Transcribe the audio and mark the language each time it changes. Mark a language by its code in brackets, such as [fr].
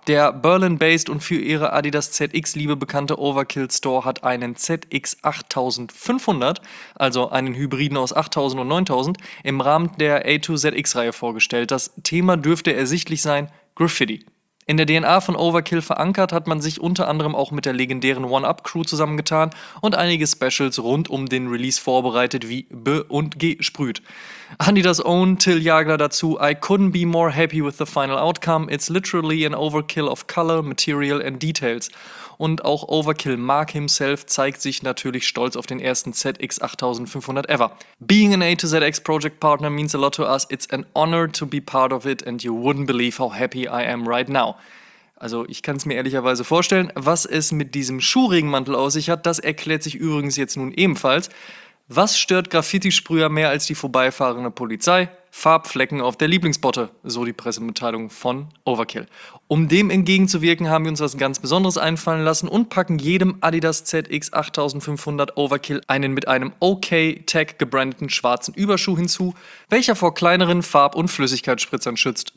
[de] Der Berlin-based und für ihre Adidas ZX-Liebe bekannte Overkill-Store hat einen ZX8500, also einen Hybriden aus 8000 und 9000, im Rahmen der A2ZX-Reihe vorgestellt. Das Thema dürfte ersichtlich sein: Graffiti. In der DNA von Overkill verankert, hat man sich unter anderem auch mit der legendären One-Up-Crew zusammengetan und einige Specials rund um den Release vorbereitet, wie Be und Gesprüht. [en] Adidas Own, Till Jagler [de] dazu: [en] I couldn't be more happy with the final outcome. It's literally an overkill of color, material and details. [de] Und auch Overkill Mark [en] himself [de] zeigt sich natürlich stolz auf den ersten ZX8500 [en] ever. Being an A2ZX Project Partner means a lot to us. It's an honor to be part of it and you wouldn't believe how happy I am right now. [de] Also ich kann es mir ehrlicherweise vorstellen. Was es mit diesem Schuhregenmantel aus sich hat, das erklärt sich übrigens jetzt nun ebenfalls. Was stört Graffiti-Sprüher mehr als die vorbeifahrende Polizei? Farbflecken auf der Lieblingsbotte, so die Pressemitteilung von Overkill. Um dem entgegenzuwirken, haben wir uns was ganz Besonderes einfallen lassen und packen jedem Adidas ZX 8500 Overkill einen mit einem OK Tag gebrandeten schwarzen Überschuh hinzu, welcher vor kleineren Farb- und Flüssigkeitsspritzern schützt.